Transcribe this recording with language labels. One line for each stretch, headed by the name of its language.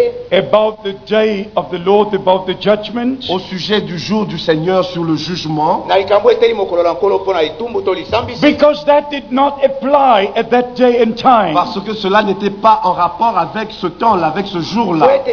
English: About the day of the Lord, about the judgment,
French: au sujet du jour du Seigneur sur le jugement,
English: because that did not apply at that day and time,
French: parce que cela n'était pas en rapport avec ce temps là, avec ce jour là.